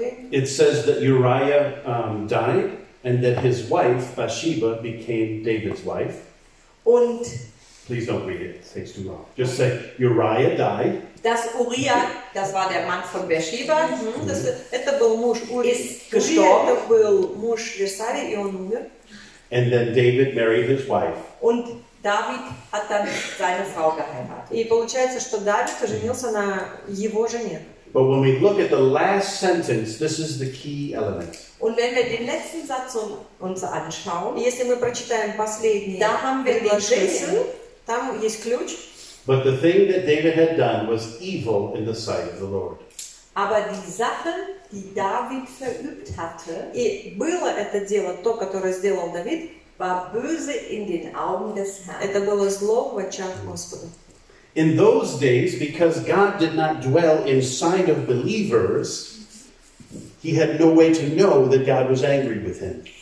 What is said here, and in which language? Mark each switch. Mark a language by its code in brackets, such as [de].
[en] It says that Uriah died and that his wife Bathsheba became David's wife. [de] Und [en] please don't read it, it takes too long. Just say Uriah died. [de] Dass Uriah, das war der Mann von Bathsheba, [ru] это был муж Ури, [de] ist gestorben. [ru] Это был муж Версаре, и он умер. [en] And then David married his wife. [de] Und David hat dann seine Frau geheiratet. [ru] И получается, что Давид женился на его жене. [en] But when we look at the last sentence, this is the key element. [de] Und wenn wir den letzten Satz uns anschauen, [ru] если мы прочитаем последний, [de] da haben wir den Schlüssel, [ru] там есть ключ. [en] But the thing that David had done was evil in the sight of the Lord. [de] Aber die Sache, die David verübt hatte, [ru] и было это дело, то, которое сделал Давид, [de] war böse in den Augen des Herrn. [ru] Это было зло в очах Господа. [en] In those days, because God did not dwell inside of believers, he had no way to know that God was angry with him.